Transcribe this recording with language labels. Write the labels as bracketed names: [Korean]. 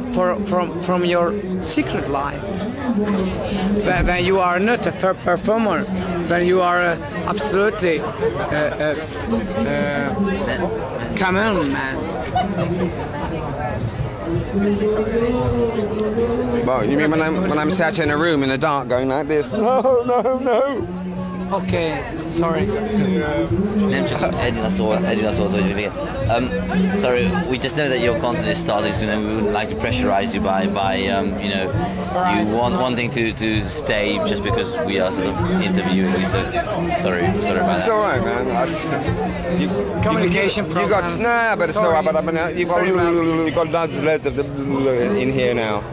[English] From your secret life, when you are not a performer, when you are absolutely come on, man. Well, you mean when I'm sat in a room in the dark going like this? No. Okay, sorry. [Hungarian] Nem csak Edina szólt, hogy miért. [English] Sorry, we just know that your concert is starting soon and we would like to pressurize you by you know, you wanting to stay just because we are sort of interviewing you, so sorry about that. It's alright, man. Communication problems. You've got loads of the in here now.